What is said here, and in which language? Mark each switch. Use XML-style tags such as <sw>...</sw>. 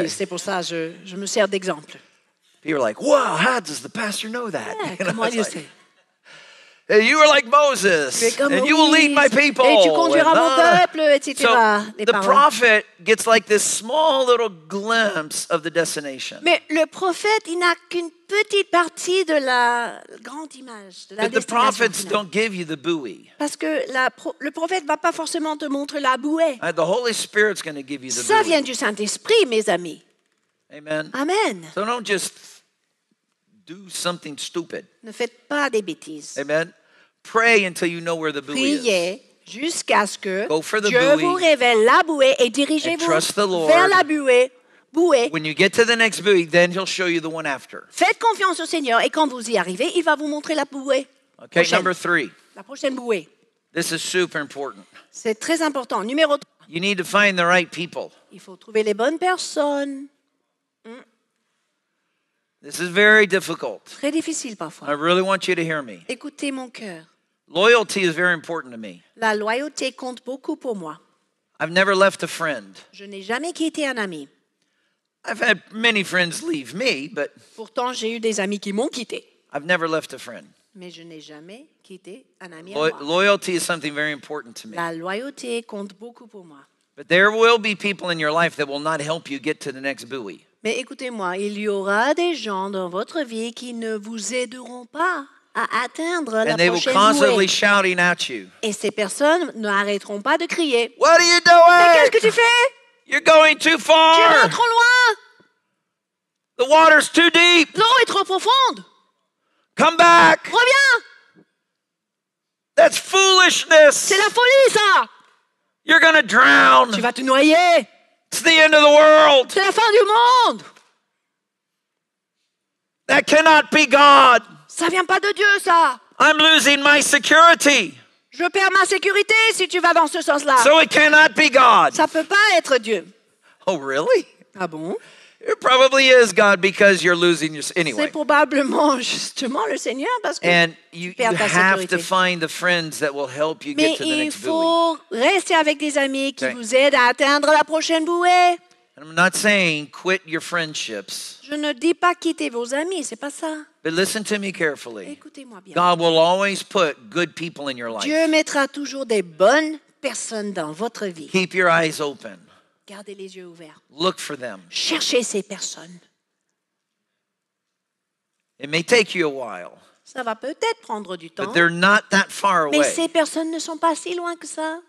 <fr>Okay. C'est pour ça que je me sers d'exemple.</fr> <en>You're like, wow, how does the pastor know that?</en> <fr>Yeah, comment Dieu sait?</fr> <en>Hey, you are like Moses, and</en> <fr>Moïse,</fr> <en>you will lead my people.</en> <fr>Et tu conduiras mon peuple, etc.</fr> <en>So the prophet gets like this small little glimpse of the destination.</en> <fr>Mais le prophète, il n'a qu'une petite partie de la grande image, de la destination.</fr> <en>The prophets</en> <fr>finale.</fr> <en>Don't give you the buoy.</en> <fr>Parce que le prophète va pas forcément te montrer la bouée.</fr> <en>And the Holy Spirit's going to give you the</en> <fr>ça Ça vient du Saint-Esprit, mes amis. Amen. Amen.</fr> <en>So don't just do something stupid.</en> <fr>Ne faites pas des bêtises.</fr> <en>Amen. Pray until you know where the buoy</en> <fr>priez</fr> <en>is.</en> <fr>Priez jusqu'à ce que</fr> <en>go for the</en> <fr>Dieu</fr> <en>buoy</en> <fr>vous révèle la bouée et dirigez-vous vers la bouée.</fr> <en>When you get to the next buoy, then he'll show you the one after.</en> <fr>Faites confiance au Seigneur et quand vous y arrivez, il va vous montrer la bouée.</fr> <en>Okay,</en> <fr>prochaine.</fr> <en>Number three.</en> <fr>La prochaine bouée.</fr> <en>This is super important.</en> <fr>C'est très important. Numéro 3.</fr> <en>You need to find the right people.</en> <fr>Il faut trouver les bonnes personnes.</fr> <en>This is very difficult.</en> <fr>Très difficile parfois.</fr> <en>I really want you to hear me.</en> <fr>Écoutez mon cœur.</fr> <en>Loyalty is very important to me.</en> <fr>La loyauté compte beaucoup pour moi.</fr> <en>I've never left a friend.</en> <fr>Je n'ai jamais quitté un ami.</fr> <en>I've had many friends leave me, but</en> <fr>pourtant j'ai eu des amis qui m'ont quitté.</fr> <en>I've never left a friend.</en> <fr>Mais je n'ai jamais quitté un ami.</fr> <en>Loyalty is something very important to me.</en> <fr>La loyauté compte beaucoup pour moi.</fr> <en>But there will be people in your life that will not help you get to the next buoy.</en> <fr>Mais écoutez-moi, il y aura des gens dans votre vie qui ne vous aideront pas à atteindre</fr> <en>and</en> <fr>la prochaine bouée. Et ces personnes n'arrêteront pas de crier.</fr> <en>What are you doing?</en> <fr>Mais qu'est-ce que tu fais?</fr> <en>You're going too far.</en> <fr>Tu vas trop loin.</fr> <en>The water's too deep.</en> <fr>L'eau est trop profonde.</fr> <en>Come back.</en> <fr>Reviens.</fr> <en>That's foolishness.</en> <fr>C'est la folie, ça.</fr> <en>You're going to drown.</en> <fr>Tu vas te noyer.</fr> <en>It's the end of the world.</en> <fr>C'est la fin du monde.</fr> <en>That cannot be God.</en> <fr>Ça vient pas de Dieu, ça.</fr> <en>I'm losing my security.</en> <fr>Je perds ma sécurité si tu vas dans ce sens-là.</fr> <en>So it cannot be God.</en> <fr>Ça peut pas être Dieu.</fr> <en>Oh, really?</en> <fr>Ah bon?</fr> <en>It probably is God because you're losing your... Anyway.</en> <fr>C'est probablement justement le Seigneur parce que</fr> <en>and you,</en> <fr>tu perds ta sécurité.</fr> <en>Have to find the friends that will help you</en> <fr>mais</fr> <en>get to the next</en> <fr>building. Mais il faut rester avec des amis qui vous aident à atteindre la prochaine bouée.</fr> <en>I'm not saying quit your friendships.</en> <fr>Je ne dis pas quitter vos amis, c'est pas ça.</fr> <en>But listen to me carefully.</en> <fr>Écoutez-moi bien.</fr> <en>God will always put good people in your life.</en> <fr>Dieu mettra toujours des bonnes personnes dans votre vie.</fr> <en>Keep your eyes open.</en> <fr>Gardez les yeux ouverts.</fr> <en>Look for them.</en> <fr>Cherchez ces personnes.</fr> <en>It may take you a while.</en> <fr>Ça va peut-être prendre du temps.</fr> <en>But they're not that far away.</en> <fr>Mais ces personnes ne sont pas si loin que ça.</fr>